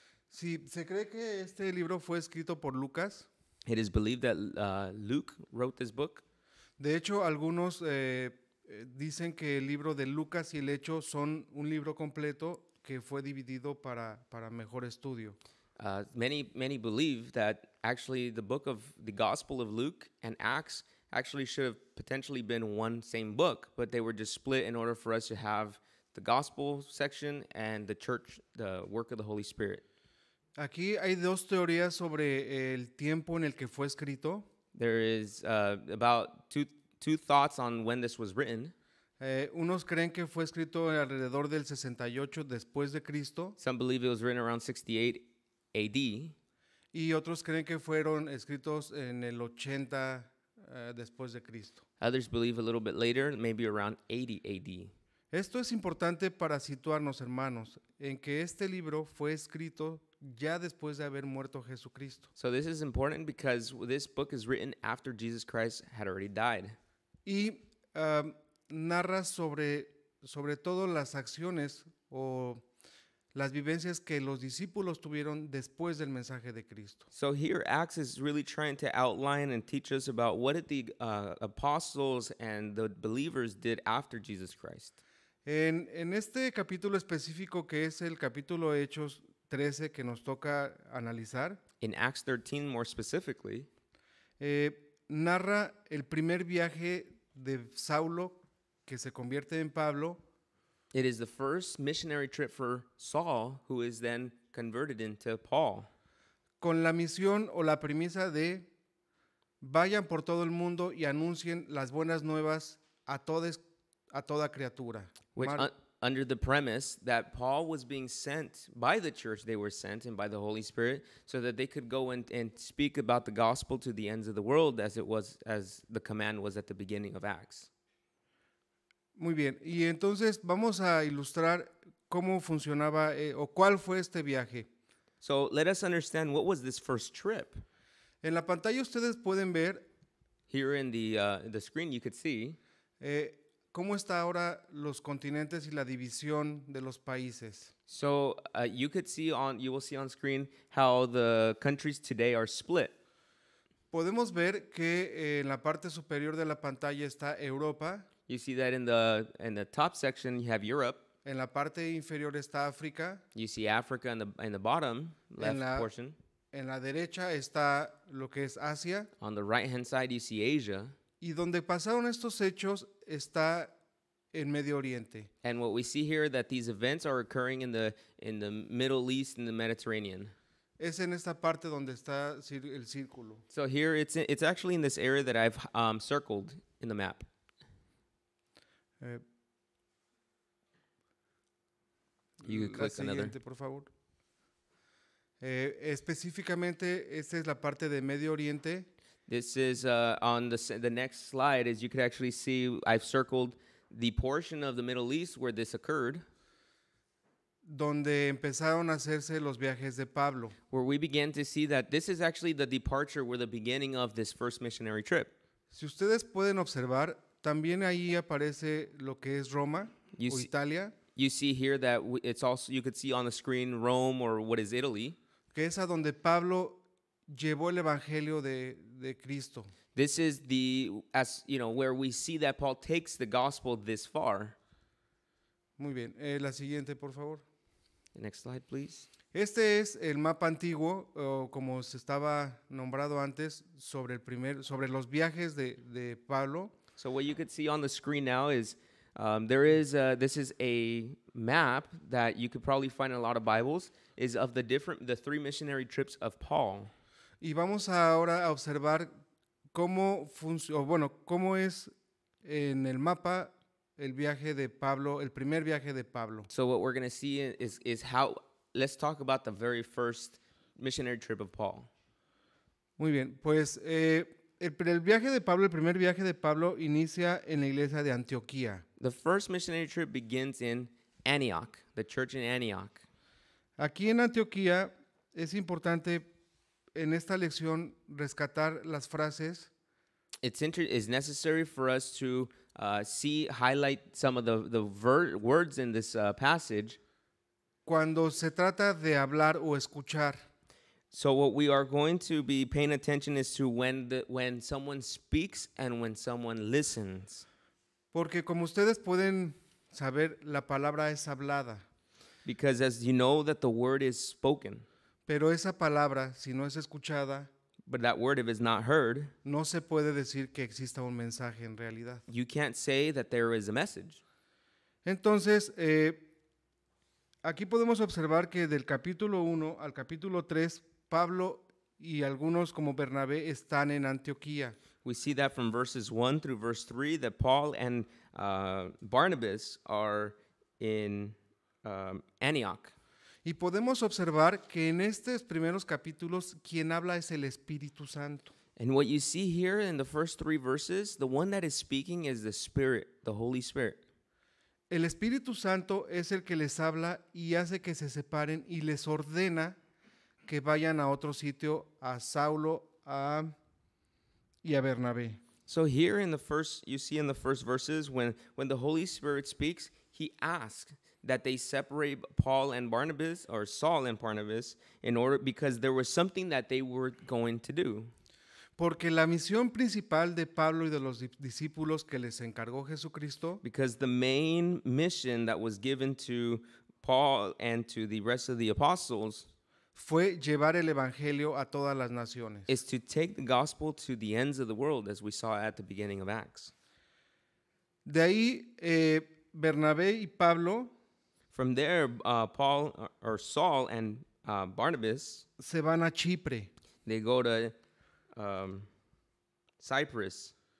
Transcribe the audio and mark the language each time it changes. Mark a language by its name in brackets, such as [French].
[Spanish] Sí, se cree que este libro fue escrito por Lucas. [English] It is believed that Luke wrote this book. [Spanish] De hecho, algunos dicen que el libro de Lucas y el hecho son un libro completo que fue dividido para mejor estudio. [English] Many believe that actually the book of the Gospel of Luke and Acts actually should have potentially been one same book, but they were just split in order for us to have the Gospel section and the church, the work of the Holy Spirit. [Spanish] Aquí hay dos teorías sobre el tiempo en el que fue escrito. [English] There is about two thoughts on when this was written. [Spanish] Unos creen que fue escrito alrededor del 68 después de Cristo. [English] Some believe it was written around 68 AD. [Spanish] Y otros creen que fueron escritos en el 80 después de Cristo. [English] Others believe a little bit later, maybe around 80 AD. [Spanish] Esto es importante para situarnos, hermanos, en que este libro fue escrito ya después de haber muerto Jesucristo. [English] So this is important because this book is written after Jesus Christ had already died. [Spanish] Y narra sobre todo las acciones o las vivencias que los discípulos tuvieron después del mensaje de Cristo. [English] So here Acts is really trying to outline and teach us about what did the apostles and the believers did after Jesus Christ. [Spanish] En este capítulo específico que es el capítulo Hechos 13 que nos toca analizar. [English] In Acts 13, more specifically, [Spanish] narra el primer viaje de Saulo que se convierte en Pablo. [English] It is the first missionary trip for Saul, who is then converted into Paul. [Spanish] Con la misión o la premisa de vayan por todo el mundo y anuncien las buenas nuevas a toda criatura. [English] Under the premise that Paul was being sent by the church, they were sent and by the Holy Spirit, so that they could go and speak about the gospel to the ends of the world, as the command was at the beginning of Acts. [Spanish] Muy bien. Y entonces vamos a ilustrar cómo funcionaba o cuál fue este viaje. [English] So let us understand what was this first trip. [Spanish] En la pantalla ustedes pueden ver. [English] Here in the screen you could see. [Spanish] ¿Cómo está ahora los continentes y la división de los países? [English] So, you will see on screen how the countries today are split. [Spanish] Podemos ver que en la parte superior de la pantalla está Europa. [English] You see that in the top section you have Europe. [Spanish] En la parte inferior está África. [English] You see Africa in the bottom left portion. [Spanish] En la derecha está lo que es Asia. [English] On the right hand side you see Asia. [Spanish] Y donde pasaron estos hechos está en Medio Oriente. [English] And what we see here that these events are occurring in the Middle East and the Mediterranean. [Spanish] Es en esta parte donde está el círculo. [English] So here it's actually in this area that I've circled in the map. You can click another. [Spanish] Por favor. Específicamente esta es la parte de Medio Oriente. [English] This is on the next slide. As you could actually see, I've circled the portion of the Middle East where this occurred. [Spanish] Donde empezaron a hacerse los viajes de Pablo. [English] Where we began to see that this is actually the departure, where the beginning of this first missionary trip. [Spanish] Si ustedes pueden observar, También ahí aparece lo que es Roma o Italia. [English] You see here that it's also, you could see on the screen Rome or what is Italy. [Spanish] Que es a donde Pablo llevó el evangelio de Cristo. [English] This is the, as you know, where we see that Paul takes the gospel this far. [Spanish] Muy bien. La siguiente, por favor. [English] The next slide, please. [Spanish] Este es el mapa antiguo, como se estaba nombrado antes, sobre el primer, sobre los viajes de Pablo. [English] So what you could see on the screen now is, there is a, this is a map that you could probably find in a lot of Bibles, is of the different, the three missionary trips of Paul. [Spanish] Y vamos ahora a observar cómo funciona, bueno, cómo es en el mapa el viaje de Pablo, el primer viaje de Pablo. [English] So what we're going to see is how, let's talk about the very first missionary trip of Paul. [Spanish] Muy bien, pues el viaje de Pablo, el primer viaje de Pablo inicia en la iglesia de Antioquía. [English] The first missionary trip begins in Antioch, the church in Antioch. [Spanish] Aquí en Antioquía es importante en esta lección rescatar las frases. [English] It's necessary for us to highlight some of the words in this passage. [Spanish] Cuando se trata de hablar o escuchar. [English] So what we are going to be paying attention is to when someone speaks and when someone listens. [Spanish] Porque como ustedes pueden saber, la palabra es hablada. [English] Because as you know that the word is spoken. [Spanish] Pero esa palabra, si no es escuchada, [English] but that word, if it's not heard, [Spanish] no se puede decir que exista un mensaje en realidad. [English] You can't say that there is a message. [Spanish] Entonces, aquí podemos observar que del capítulo 1 al capítulo 3, Pablo y algunos como Bernabé están en Antioquía. [English] We see that from verses 1 through verse 3 that Paul and Barnabas are in Antioch. [Spanish] Y podemos observar que en estos primeros capítulos quien habla es el Espíritu Santo. [English] And what you see here in the first three verses, the one that is speaking is the Spirit, the Holy Spirit. [Spanish] El Espíritu Santo es el que les habla y hace que se separen y les ordena que vayan a otro sitio, a Saulo, a y a Bernabé. [English] So here in the first, you see in the first verses, when the Holy Spirit speaks, he asks that they separate Paul and Barnabas, or Saul and Barnabas, in order, because there was something that they were going to do. [Spanish] Porque la misión principal de Pablo y de los discípulos que les encargó Jesucristo, [English] because the main mission that was given to Paul and to the rest of the apostles, [Spanish] fue llevar el evangelio a todas las naciones. [English] Is to take the gospel to the ends of the world, as we saw at the beginning of Acts. [Spanish] De ahí, Bernabé y Pablo, [English] from there, Paul or Saul and Barnabas, [Spanish] se van a Chipre. [English] They go to Cyprus.